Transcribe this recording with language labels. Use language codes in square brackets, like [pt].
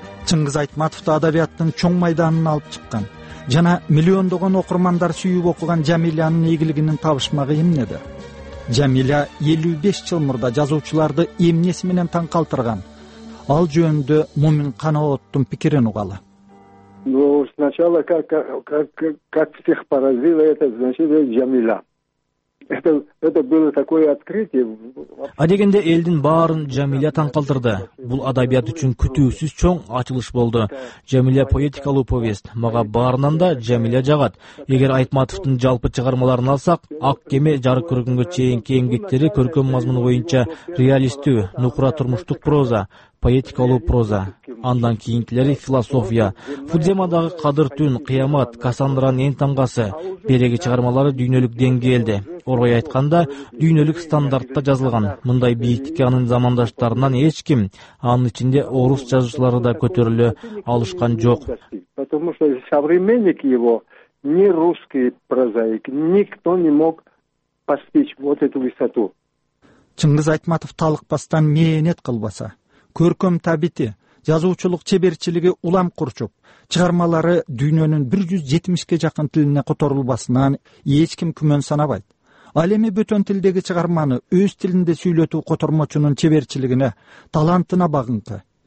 [ky] Чыңгыз Айтматовту адабияттын чоң майданын алып чыккан жана миллиондогон окурмандар сүйүп окуган Жамилянын ийгилигинин табышмагы эмнеде? Жамиля 55 жыл мурда жазуучуларды эмнеси менен таң калтырган? Ал жөнүндө Момин Каноотун пикирин угалы. [ru] Ну, сначала как всех поразило это, значит, Жамиля. Это было такое открытие. [ky] А дегенде элдин баарын Жамиля таң калтырды. Бул адабият үчүн күтүүсүз чоң ачылыш болду. Жамиля поэтикалуу повесть. Мага баарынан да Жамиля жагат. Эгер Айтматовдун жалпы чыгармаларын алсак, Ак кеме жарык көргөнгө чейинки эмгектери көркөм мазмуну боюнча реалисттүү, нукура турмуштук проза. Поэтикалуу проза, андан кийинкилери философия, Фудземадагы Кадыр түн, Кыямат, Кассандранын эң тамгасы, Береги чыгармалары дүйнөлүк деңгээлде, орой айтканда дүйнөлүк стандартта жазылган. Мындай бийиктикке анын замандаштарынан эч ким, анын ичинде орус жазуучулары да көтөрүлө алышкан жок. [ru] Потому что современник его, не русский прозаик, никто не мог постичь вот эту высоту. [ky] Чыңгыз Айтматов талыкпастан мээнет кылбаса, көркөм табити, жазуучулук чеберчилиги улам курчуп, чыгармалары дүйнөнүн 170ге жакын тилине которулбасынан эч ким күмөн санабайт. Ал эми бөтөн тилдеги чыгарманы өз тилинде сүйлөтүү котормочунун чеберчилигине, талантына багынты.